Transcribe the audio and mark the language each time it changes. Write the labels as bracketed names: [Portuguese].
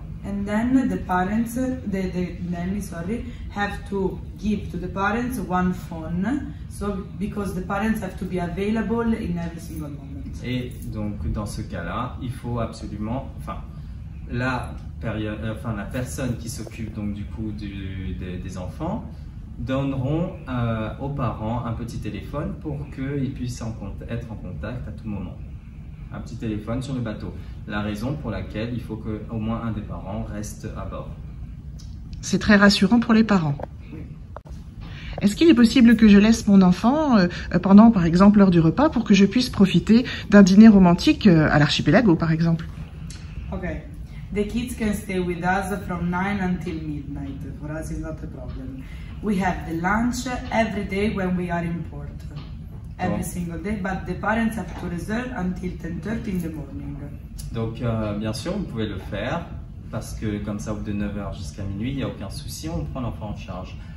[English] And then the parents, the nanny, sorry, have to give to the parents one phone, so because the parents have to be available in every single moment. [French] Et donc dans ce cas-là, il faut absolument, enfin, la personne qui s'occupe donc du coup des enfants donneront aux parents un petit téléphone pour qu'ils puissent être en contact à tout moment. Un petit téléphone sur le bateau. La raison pour laquelle il faut qu'au moins un des parents reste à bord. C'est très rassurant pour les parents. Est-ce qu'il est possible que je laisse mon enfant pendant, par exemple, l'heure du repas pour que je puisse profiter d'un dîner romantique à l'archipelago, par exemple? Ok. [English] The kids can stay with us from 9 until midnight. For us, it's not a problem. We have the lunch every day when we are in port. every single day, but the parents have to reserve until 10:30 in the morning. [French] Donc, bien sûr, vous pouvez le faire, parce que comme ça, de 9h jusqu'à minuit, il n'y a aucun souci, on prend l'enfant en charge.